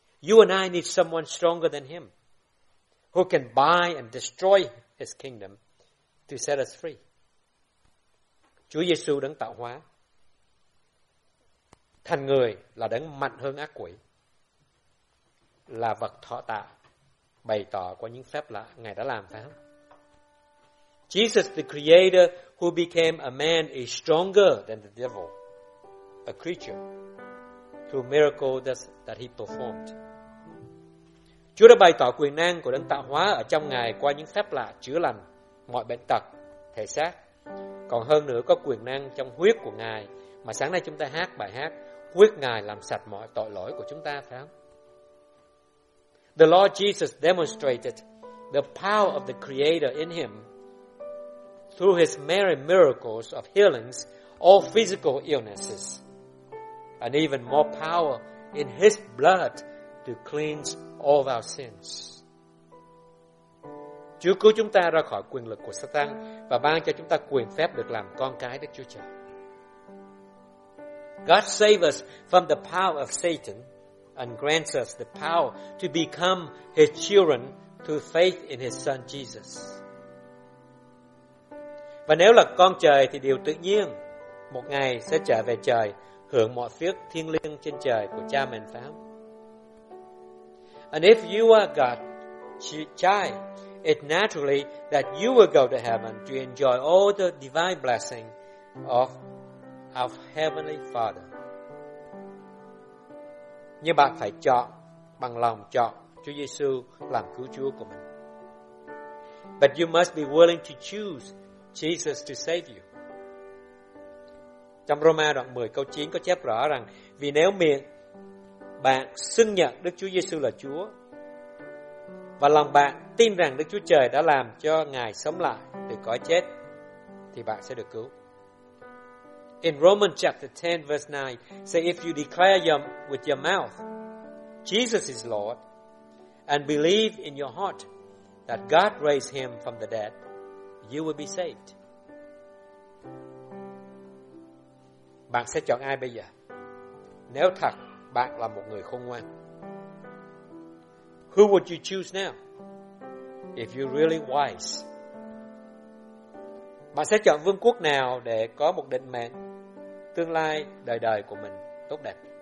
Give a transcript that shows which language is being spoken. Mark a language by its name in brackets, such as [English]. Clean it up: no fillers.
[English] You and I need someone stronger than him, who can buy and destroy his kingdom to set us free. [Vietnamese] Chúa Giêsu đấng tạo hóa, thành người là đấng mạnh hơn ác quỷ, là vật thọ tạo, bày tỏ qua những phép lạ Ngài đã làm, phải không? [English] Jesus the Creator who became a man is stronger than the devil, a creature through miracles that he performed. [Vietnamese] Chúa đã bày tỏ quyền năng của đấng tạo hóa ở trong Ngài qua những phép lạ chữa lành mọi bệnh tật thể xác. Còn hơn nữa có quyền năng trong huyết của Ngài mà sáng nay chúng ta hát bài hát huyết Ngài làm sạch mọi tội lỗi của chúng ta, phải không? [English] The Lord Jesus demonstrated the power of the Creator in him through his many miracles of healings all physical illnesses and even more power in his blood to cleanse all of our sins. [Vietnamese] Chúa cứu chúng ta ra khỏi quyền lực của Satan và ban cho chúng ta quyền phép được làm con cái Đức Chúa Trời. [English] God save us from the power of Satan and grants us the power to become his children through faith in his son Jesus. [Vietnamese] Và nếu là con trời thì điều tự nhiên một ngày sẽ trở về trời hưởng mọi phước thiêng liêng trên trời của cha mình, phải không? [English] And if you are God's child, it's naturally that you will go to heaven to enjoy all the divine blessing of our heavenly Father. [Vietnamese] Nhưng bạn phải chọn, bằng lòng chọn Chúa Giêsu làm cứu Chúa của mình. [English] But you must be willing to choose Jesus to save you. [Vietnamese] Trong Roma đoạn 10 câu 9 có chép rõ rằng vì nếu miệng bạn xưng nhận Đức Chúa Giêsu là Chúa và lòng bạn tin rằng Đức Chúa Trời đã làm cho Ngài sống lại từ cõi chết thì bạn sẽ được cứu. [English] In Romans chapter 10 verse 9 say if you declare with your mouth Jesus is Lord and believe in your heart that God raised him from the dead, you will be saved. [Vietnamese] Bạn sẽ chọn ai bây giờ? Nếu thật bạn là một người khôn ngoan, [English] who would you choose now? If you're really wise, [Vietnamese] bạn sẽ chọn vương quốc nào để có một định mệnh tương lai đời đời của mình tốt đẹp?